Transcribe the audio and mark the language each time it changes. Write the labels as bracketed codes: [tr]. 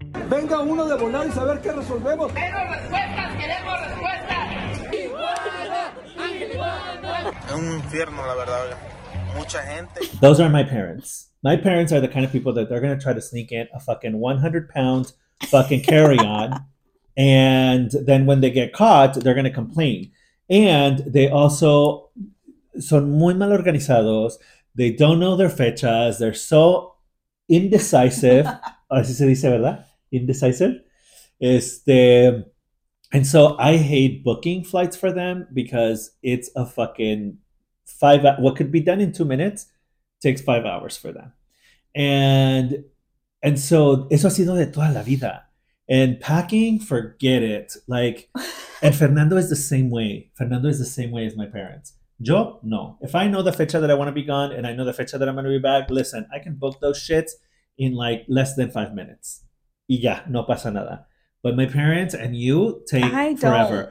[es] Venga uno de volar y saber qué resolvemos. Queremos respuestas, queremos respuestas. Es un infierno, la verdad. Mucha gente. [en] Those are my parents. My parents are the kind of people that they're going to try to sneak in a fucking 100-pound fucking carry-on. And then when they get caught, they're going to complain. And they also [es] son muy mal organizados. [en] They don't know their fechas. They're so indecisive. [es] Así se dice, ¿verdad? [en] Indecisive. And so I hate booking flights for them because it's a fucking what could be done in 2 minutes takes 5 hours for them. And so [es] eso ha sido de toda la vida. [en] And packing, forget it. Like, and Fernando is the same way. Fernando is the same way as my parents. [es] Yo, no. [en] If I know the fecha that I want to be gone and I know the fecha that I'm going to be back, listen, I can book those shits in like less than 5 minutes. [es] Y ya, no pasa nada. [en] But my parents and you take forever.